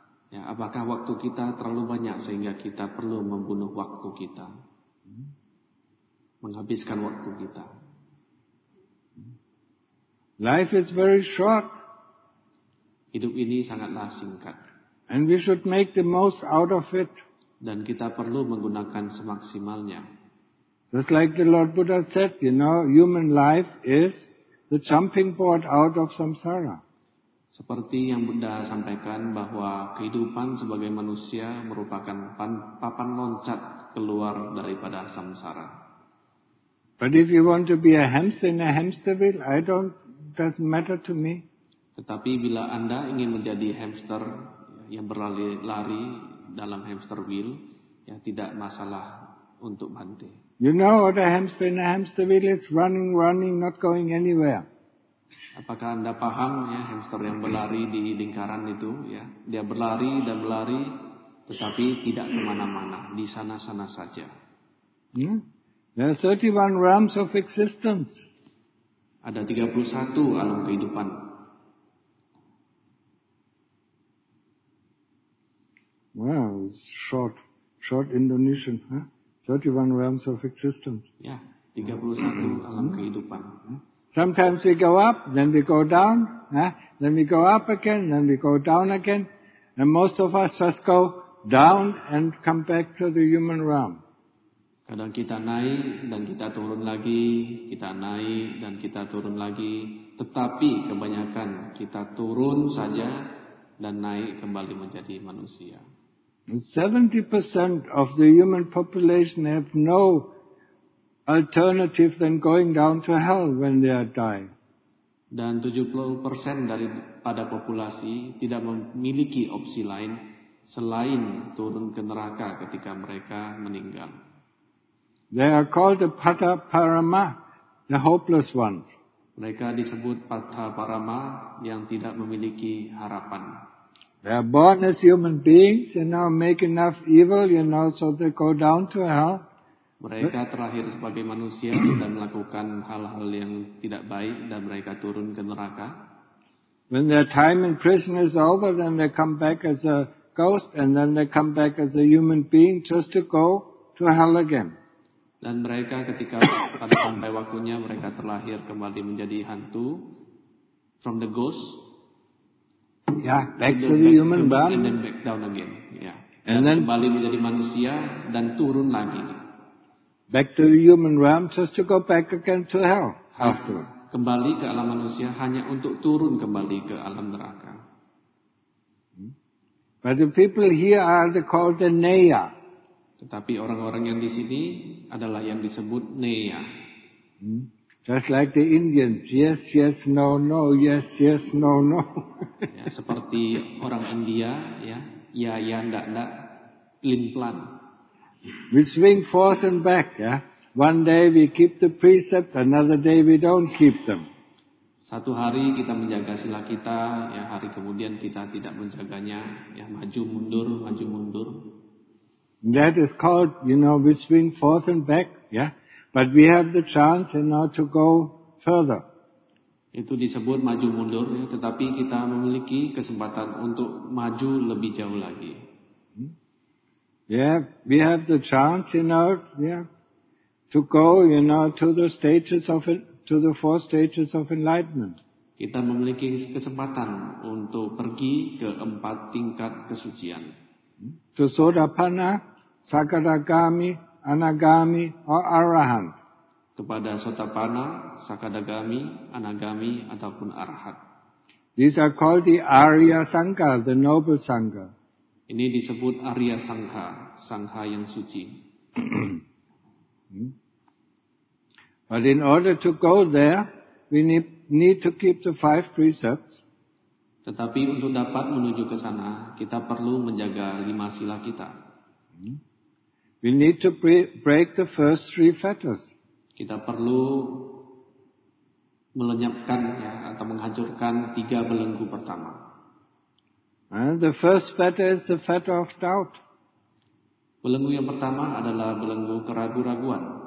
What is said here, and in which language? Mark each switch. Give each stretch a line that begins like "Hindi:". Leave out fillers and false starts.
Indonesian: Ya, apakah waktu kita terlalu banyak sehingga kita perlu membunuh waktu kita? Menghabiskan waktu kita.
English: Life is very short.
Indonesian: Hidup ini sangatlah singkat.
English: And we should make the most out of it.
Indonesian: Dan kita perlu menggunakan semaksimalnya.
English: Just like the Lord Buddha said, you know, human life is the jumping board out of samsara.
Indonesian: Seperti yang Buddha sampaikan bahwa kehidupan sebagai manusia merupakan papan loncat keluar daripada samsara.
English: But if you want to be a hamster in a hamster wheel, doesn't matter to me.
Indonesian: Tetapi bila Anda ingin menjadi hamster yang berlari-lari dalam hamster wheel, ya tidak masalah untuk Bante.
English: You know what a hamster in a hamster wheel is? Running, not going anywhere.
Indonesian: Apakah Anda paham ya hamster yang berlari di lingkaran itu ya? Dia berlari dan berlari, tetapi tidak kemana-mana, di sana-sana saja.
English: There are 31 realms of existence.
Indonesian: Ada 31 alam kehidupan.
English: Wow, it's short Indonesian, huh? 31 realms of existence.
Indonesian: Ya, 31 alam kehidupan.
English: Sometimes we go up, then we go down, then we go up again, then we go down again, and most of us just go down and come back to the human realm.
Indonesian: Kadang kita naik dan kita turun lagi, kita naik dan kita turun lagi, tetapi kebanyakan kita turun saja dan naik kembali menjadi manusia.
English: 70% of the human population have no alternative than going down to hell when they are dying.
Indonesian: Dan 70% daripada populasi tidak memiliki opsi lain selain turun ke neraka ketika mereka meninggal.
English: They are called the Patta Parama, the hopeless ones.
Indonesian: Mereka disebut Patta Parama yang tidak memiliki harapan.
English: They are born as human beings, you know, make enough evil, you know, so they go down to hell.
Indonesian: Mereka terakhir sebagai manusia dan melakukan hal-hal yang tidak baik dan mereka turun ke neraka.
English: When their time in prison is over, then they come back as a ghost, and then they come back as a human being just to go to hell again.
Indonesian: Dan mereka ketika pada sampai waktunya mereka terlahir kembali menjadi hantu
English: from the ghost. Yeah, back to the human body. And then back down again. Yeah. And then
Indonesian: kembali menjadi manusia dan turun lagi.
English: Back to the human realm just to go back again to hell after.
Indonesian: Kembali ke alam manusia hanya untuk turun kembali ke alam neraka.
English: But the people here are called the Neya.
Indonesian: Tetapi orang-orang yang di sini adalah yang disebut Neya.
English: Just like the Indians, yes, yes, no, no, yes, yes, no, no.
Indonesian: Ya, seperti orang India, ya, ya, ya, ndak, ndak, plin plan.
English: We swing forth and back, ya. One day we keep the precepts, another day we don't keep them.
Indonesian: Satu hari kita menjaga sila kita, ya, hari kemudian kita tidak menjaganya, ya, maju mundur, maju mundur.
English: That is called, you know, we swing forth and back, yeah. But we have the chance, you know, to go further.
Indonesian: Itu disebut maju mundur, ya. Tetapi kita memiliki kesempatan untuk maju lebih jauh lagi.
English: Yeah, we have the chance, you know, yeah, to go, you know, to the stages of it, to the four stages of enlightenment.
Indonesian: Kita memiliki kesempatan untuk pergi ke empat tingkat kesucian.
English: To Sotapanna, Sakadagami, Anagami, or Arahant.
Indonesian: Kepada Sotapanna, Sakadagami, Anagami, ataupun Arahat.
English: These are called the Arya Sangha, the Noble Sangha.
Indonesian: Ini disebut Arya Sangha, Sangha yang suci.
English: But in order to go there, we need to keep the five precepts.
Indonesian: Tetapi untuk dapat menuju ke sana, kita perlu menjaga lima sila kita.
English: We need to break the first three fetters.
Indonesian: Kita perlu melenyapkan, ya, atau menghancurkan tiga belenggu pertama.
English: The first fetter is the fetter of doubt.
Indonesian: Belenggu yang pertama adalah belenggu keragu-raguan.